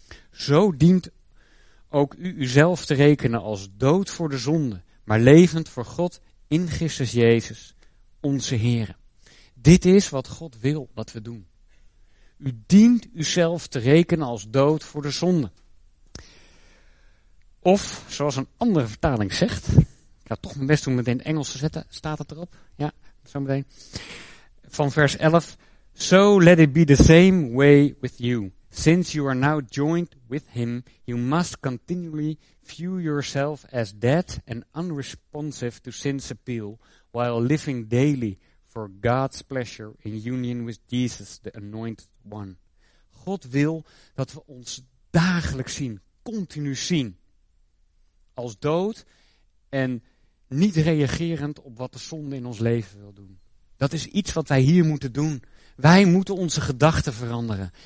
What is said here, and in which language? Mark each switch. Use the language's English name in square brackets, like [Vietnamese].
[Dutch] Zo dient ook u uzelf te rekenen als dood voor de zonde, maar levend voor God in Christus Jezus, onze Heer. Dit is wat God wil dat we doen. U dient uzelf te rekenen als dood voor de zonde. Of, zoals een andere vertaling zegt, ik ga toch mijn best doen om het in het Engels te zetten, staat het erop? Ja, zo meteen. Van vers 11. [English] So let it be the same way with you. Since you are now joined with him, you must continually view yourself as dead and unresponsive to sin's appeal, while living daily for God's pleasure in union with Jesus, the anointed one. [Dutch] God wil dat we ons dagelijks zien, continu zien, als dood en niet reagerend op wat de zonde in ons leven wil doen. Dat is iets wat wij hier moeten doen. Wij moeten onze gedachten veranderen.